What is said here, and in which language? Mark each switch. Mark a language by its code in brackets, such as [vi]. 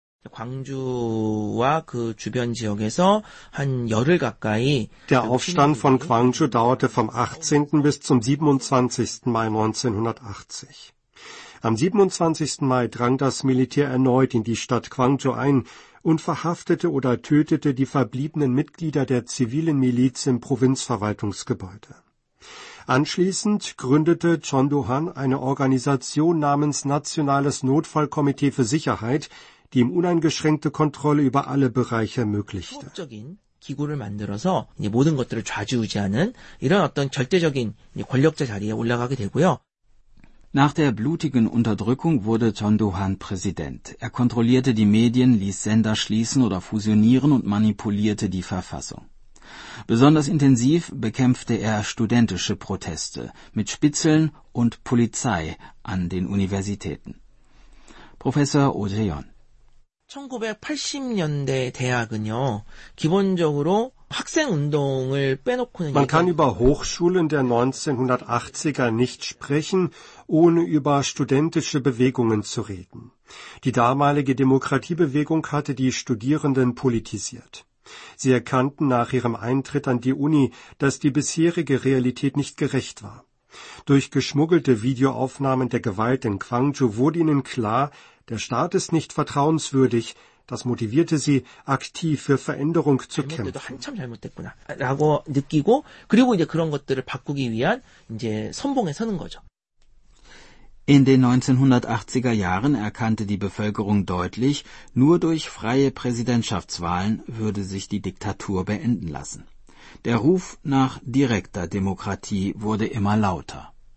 [ko] 광주와 그 주변 지역에서 한 열흘 가까이 [de] Der Aufstand von Gwangju dauerte vom 18. bis zum 27. Mai 1980. Am 27. Mai drang das Militär erneut in die Stadt Gwangju ein und verhaftete oder tötete die verbliebenen Mitglieder der zivilen Miliz im Provinzverwaltungsgebäude. Anschließend gründete John Duhan eine Organisation namens Nationales Notfallkomitee für Sicherheit, die ihm uneingeschränkte Kontrolle über alle Bereiche ermöglichte. [ko] 소극적인 기구를 만들어서 이제 모든 것들을 좌지우지하는 이런 어떤 절대적인 이제 권력자 자리에 올라가게 되고요. [de] Nach der blutigen Unterdrückung wurde John Duhan Präsident. Er kontrollierte die Medien, ließ Sender schließen oder fusionieren und manipulierte die Verfassung. Besonders intensiv bekämpfte er studentische Proteste mit Spitzeln und Polizei an den Universitäten. Professor Oh Jae-yeon. [ko] 1980년대 대학은요, 기본적으로 학생운동을 빼놓고는 [de] Man kann über Hochschulen der 1980er nicht sprechen, ohne über studentische Bewegungen zu reden. Die damalige Demokratiebewegung hatte die Studierenden politisiert. Sie erkannten nach ihrem Eintritt an die Uni, dass die bisherige Realität nicht gerecht war. Durch geschmuggelte Videoaufnahmen der Gewalt in Gwangju wurde ihnen klar, der Staat ist nicht vertrauenswürdig. Das motivierte sie, aktiv für Veränderung zu kämpfen. [ko] 한참 잘못됐구나, 라고 느끼고, 그리고 이제 그런 것들을 바꾸기 위한 이제 선봉에 서는 거죠. [de] In den 1980er Jahren erkannte die Bevölkerung deutlich, nur durch freie Präsidentschaftswahlen würde sich die Diktatur beenden lassen. Der Ruf nach direkter Demokratie wurde immer lauter.